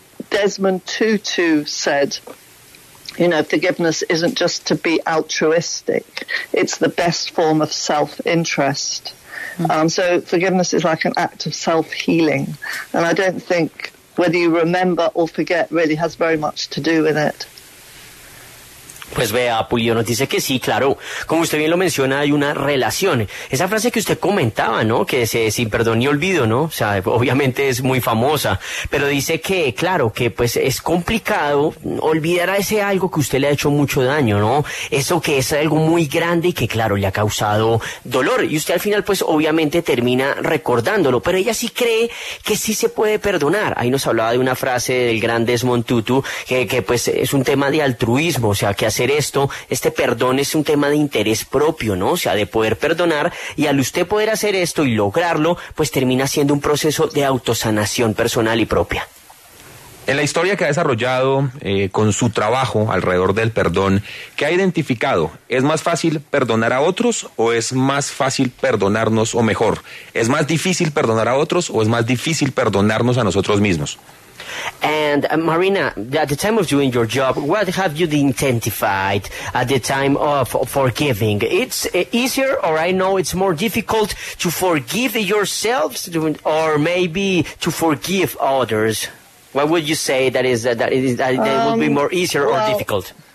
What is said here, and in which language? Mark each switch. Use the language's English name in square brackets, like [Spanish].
[English] Desmond Tutu said, you know, forgiveness isn't just to be altruistic. It's the best form of self-interest. So forgiveness is like an act of self-healing. And I don't think whether you remember or forget really has very much to do with it. [Spanish] Pues vea, Pulido nos dice que sí, claro. Como usted bien lo menciona, hay una relación. Esa frase que usted comentaba, ¿no? Que dice, sin perdón ni olvido, ¿no? O sea, obviamente es muy famosa. Pero dice que, claro, que pues es complicado olvidar a ese algo que usted le ha hecho mucho daño, ¿no? Eso que es algo muy grande y que, claro, le ha causado dolor. Y usted al final, pues, obviamente termina recordándolo. Pero ella sí cree que sí se puede perdonar. Ahí nos hablaba de una frase del gran Desmond Tutu, que pues es un tema de altruismo, o sea, que hacer esto, este perdón es un tema de interés propio, ¿no? O sea, de poder perdonar, y al usted poder hacer esto y lograrlo, pues termina siendo un proceso de autosanación personal y propia. En la historia que ha desarrollado con su trabajo alrededor del perdón, ¿qué ha identificado? ¿Es más fácil perdonar a otros o es más fácil perdonarnos o mejor? ¿Es más difícil perdonar a otros o es más difícil perdonarnos a nosotros mismos? [English] And Marina, at the time of doing your job, what have you identified at the time of forgiving? It's easier, or I know it's more difficult to forgive yourselves, or maybe to forgive others. What would you say that would be more easier or difficult?